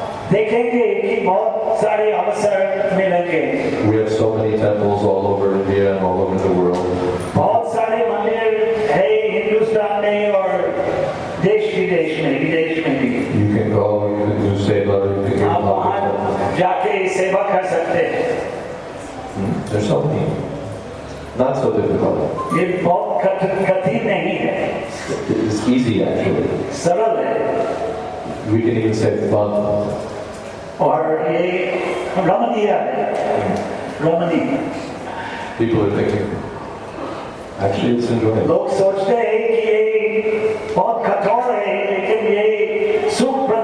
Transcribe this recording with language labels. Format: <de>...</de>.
<hi>देखेंगे कि बहुत सारे अवसर मिलेंगे।</hi> <en>We have so many temples all over India and all over the world.</en> <hi>बहुत सारे मंदिर हैं हिंदुस्तान में और देश विदेश में भी।</hi> <en>You can go, you can do seva, you can</en> <hi>आप वहाँ जाके सेवा कर सकते हैं।</hi> <en>There's so many. Not so difficult.</en> <hi>ये बहुत कठिन नहीं है।</hi> <en>It's easy actually.</en> <hi>सरल है।</hi> <en>We can even say fun.</en> <hi>और ये रमणीय है रमणीय</hi> <en>people are thinking actually it's enjoyable</en> <hi>लोग सोचते हैं कि ये बहुत कठोर है लेकिन ये सुख</hi>